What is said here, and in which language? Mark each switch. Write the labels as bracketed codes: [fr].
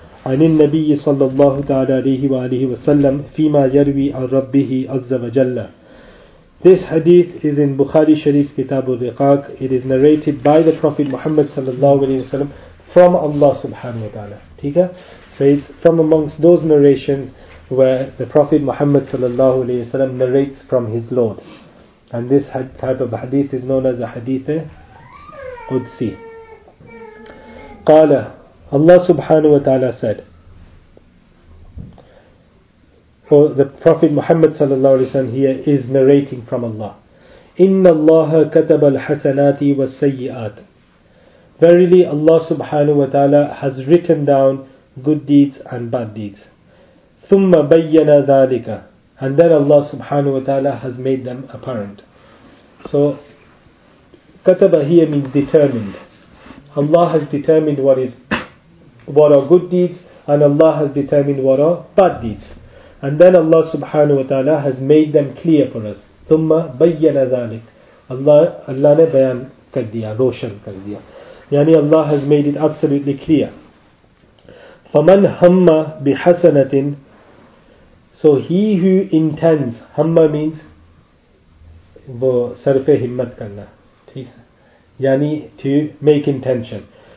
[ar] عن النبي صلى الله تعالى عليه وآله وسلم فيما يروي عن ربه عز وجل. [en] This hadith is in Bukhari Sharif Kitab al-Riqaq. It is narrated by the Prophet Muhammad sallallahu alayhi wa sallam from Allah subhanahu wa ta'ala. Tika? So it's from amongst those narrations where the Prophet Muhammad sallallahu alayhi wa sallam narrates from his Lord. And this type of hadith is known as a hadith Qudsi. Qala, Allah subhanahu wa ta'ala said, for the Prophet Muhammad sallallahu alaihi wasallam here is narrating from Allah. [ar] Inna Allah kataba al-hasanati was-sayyi'at. [en] Verily Allah subhanahu wa ta'ala has written down good deeds and bad deeds. [ar] ثُمَّ بَيَّنَ ذَلِكَ [en] And then Allah subhanahu wa ta'ala has made them apparent. So, كَتَبَ here means determined. Allah has determined what are good deeds and Allah has determined what are bad deeds. And then Allah subhanahu wa ta'ala has made them clear for us. [ar] ثُمَّ بَيَّنَ ذَلِكَ [ur] Allah نے بیان کر دیا, روشن کر دیا. [en] Yani Allah has made it absolutely clear. [ar] فَمَنْ هَمَّ بِحَسَنَةٍ [en] So he who intends, hamma means [ur] وہ صرف ہمت کرنا, ٹھیک ہے, یعنی [en] to make intention.